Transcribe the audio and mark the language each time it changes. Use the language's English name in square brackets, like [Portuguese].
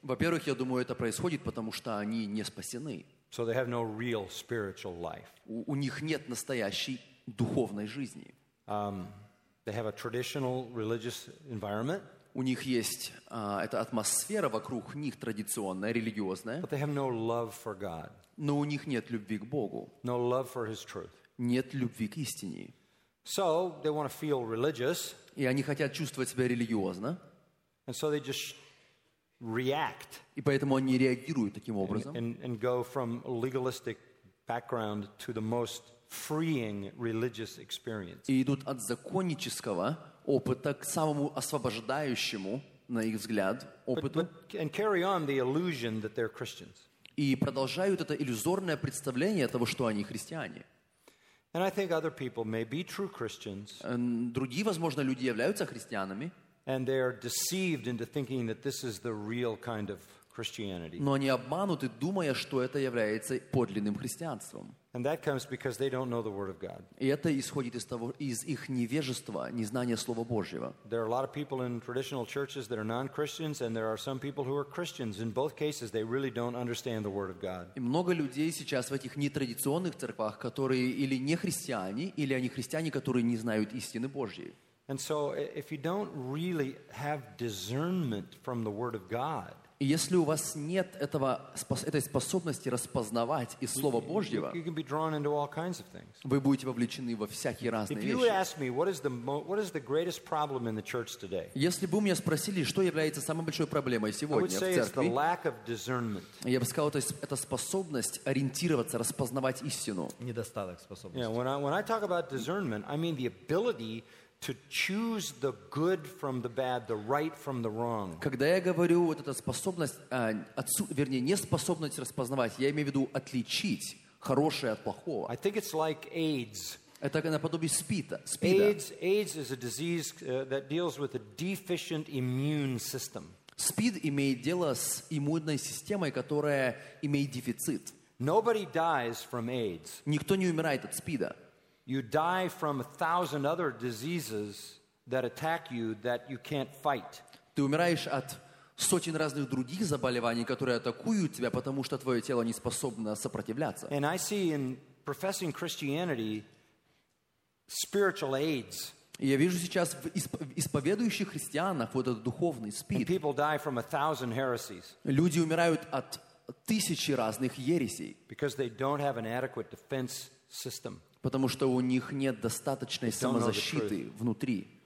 [Russian] Во-первых, я думаю, это происходит потому что они не спасены. [English] So they have no real spiritual life. [Russian] У них нет настоящей духовной жизни. [English] They have a traditional religious environment. [Russian] У них есть эта атмосфера вокруг них традиционная, религиозная. [English] But they have no love for God. [Russian] Но у них нет любви к Богу. [English] No love for His truth. [Russian] Нет любви к истине. [English] So they want to feel religious. [Russian] И они хотят чувствовать себя религиозно. [English] And so they just react. [Russian] И поэтому они реагируют таким образом. [English] And go from legalistic background to the most freeing religious experience. [Russian] И идут от законнического опыта к самому освобождающему, на их взгляд, опыту. [English] And carry on the illusion that they're Christians. [Russian] И продолжают это иллюзорное представление того, что они христиане. [English] And I think other people may be true Christians. [Russian] Другие, возможно, люди являются христианами. [English] And they are deceived into thinking that this is the real kind of Christianity. [Russian] Но они обмануты, думая, что это является подлинным христианством. [English] And that comes because they don't know the word of God. [Russian] И это исходит из того, из их невежества, незнания слова Божьего. [English] There are a lot of people in traditional churches that are non-Christians, and there are some people who are Christians. In both cases, they really don't understand the word of God. [Russian] И много людей сейчас в этих нетрадиционных церквах, которые или не христиане, или они христиане, которые не знают истины Божьей. [English] And so, if you don't really have discernment from the word of God. [Russian] И если у вас нет этой способности распознавать из Слова Божьего, вы будете вовлечены во всякие разные вещи. Если бы у меня спросили, что является самой большой проблемой сегодня в церкви, я бы сказал, то есть это способность ориентироваться, распознавать истину. Недостаток способности. [English] Yeah, when I talk about discernment, I mean the ability to choose the good from the bad, the right from the wrong. [Russian] Когда я говорю вот эта способность, вернее, неспособность распознавать, я имею в виду отличить хорошее от плохого. [English] I think it's like AIDS. [Russian] Это наподобие СПИДа. [English] AIDS is a disease that deals with a deficient immune system. [Russian] СПИД имеет дело с иммунной системой, которая имеет дефицит. [English] Nobody dies from AIDS. [Russian] Никто не умирает от СПИДа. [English] You die from 1,000 other diseases that attack you that you can't fight. [Russian] Ты умираешь от сотен разных других заболеваний, которые атакуют тебя, потому что твое тело не способно сопротивляться. [English] And I see in professing Christianity spiritual AIDS. [Russian] Я вижу сейчас в исповедующих христианах вот этот духовный СПИД. [English] People die from 1,000 heresies. [Russian] Люди умирают от тысячи разных ересей. [English] Because they don't have an adequate defense system. [Russian] Потому что у них нет достаточной самозащиты внутри.